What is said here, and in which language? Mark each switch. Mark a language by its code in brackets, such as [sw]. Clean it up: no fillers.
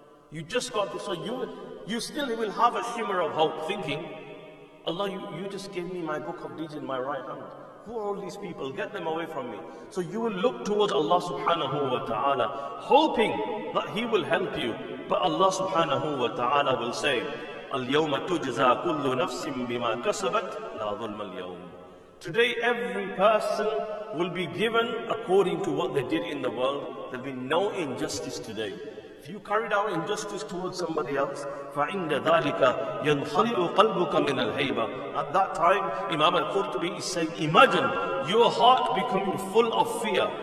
[en] You just got this, so you still will have a shimmer of hope, thinking, Allah, you just gave me my book of deeds in my right hand. Who are all these people? Get them away from me. So you will look towards Allah subhanahu wa ta'ala, hoping that He will help you. But Allah subhanahu wa ta'ala will say, [ar] اليوم تجزى كل نفس بما كسبت لا ظلم اليوم. [en] Today every person will be given according to what they did in the world. There will be no injustice today. If you carried out injustice towards somebody else, [ar] فَعِنْدَ ذَلِكَ يَنْخَلِئُ قَلْبُكَ مِنَ الْهَيْبَةِ. [en] At that time, Imam Al-Qurtubi is saying, imagine your heart becoming full of fear.